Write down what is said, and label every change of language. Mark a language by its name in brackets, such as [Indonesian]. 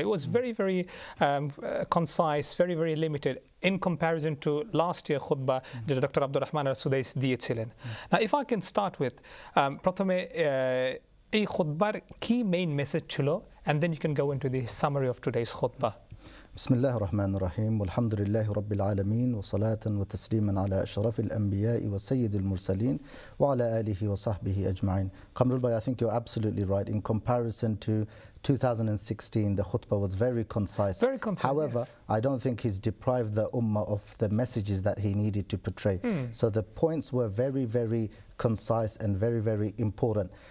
[English] it was very very concise, very very limited in comparison to last year খুতবা [Bangla] যেটা doctor Abdur Rahman Sudais দিয়েছিলেন। [English] না, if I can start with, [Bangla] প্রথমে এই খুতবার কী main message ছিল [English] And then you can go in to the summary of today's খুতবা। [Arabic] بسم الله الرحمن الرحيم والحمد لله رب العالمين وصلاة وتسليما على أشرف الأنبياء وسيد المرسلين وعلى آله وصحبه أجمعين. [English] Qamrul Bhai, I think you're absolutely right. In comparison to 2016, the khutbah was very concise. Very concise. However, yes. I don't think he's deprived the ummah of the messages that he needed to portray. Mm. So the points were very, very concise and very, very important.